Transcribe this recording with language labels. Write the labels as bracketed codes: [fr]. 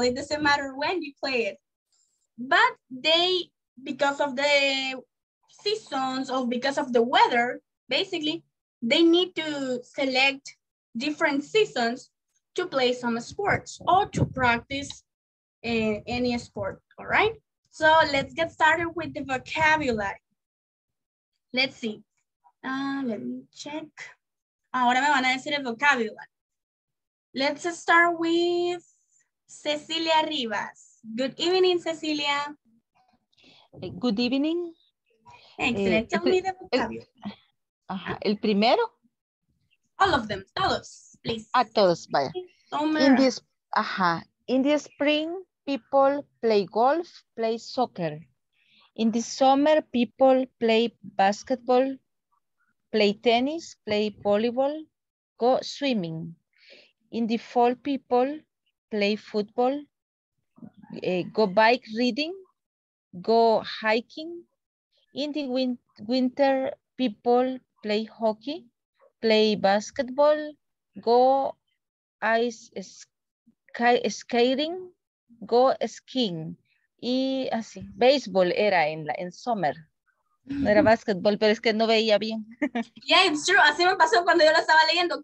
[en] It doesn't matter when you play it. But because of the seasons or because of the weather, basically, they need to select different seasons to play some sports or to practice any sport, all right? So let's get started with the vocabulary. Let's see. Let me check. [es] Ahora me van a decir el vocabulary. [en] Let's start with Cecilia Rivas. Good evening, Cecilia. Good evening. Excellent. Tell me the vocabulary. [es] El primero. [en] All of them. Todos, please. [es] A todos, vaya. [en] In the spring, people play golf, play soccer. In the summer, people play basketball, play tennis, play volleyball, go swimming. In the fall, people play football, go bike riding, go hiking. In the winter, people play hockey, play basketball, go ice skating, go skiing. [es] Y así, baseball era en summer. No era basketball, pero es que no veía bien. [en] Yeah, it's true. [es] Así me pasó cuando yo lo estaba leyendo.